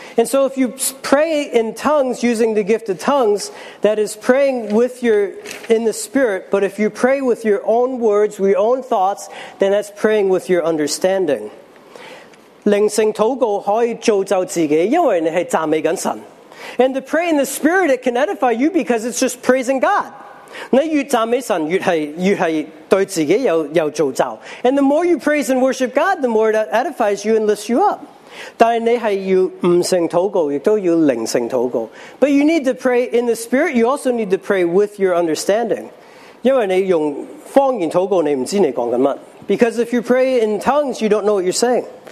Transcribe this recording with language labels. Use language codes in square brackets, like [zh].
[en] And so if you pray in tongues using the gift of tongues, that is praying with your in the spirit, but if you pray with your own words, your own thoughts, then that's praying with your understanding. [zh] 灵性祷告可以造就自己，因为你是赞美神。 [en] And to pray in the spirit, it can edify you because it's just praising God. [zh] 你越赞美神，越是对自己有造就。 [en] And the more you praise and worship God, the more that edifies you and lifts you up. [zh] 但是你是要悟性祷告，亦都要灵性祷告。 [en] But you need to pray in the spirit, you also need to pray with your understanding. [zh] 因为你用方言祷告，你不知道你在说什么。 [en] Because if you pray in tongues, you don't know what you're saying.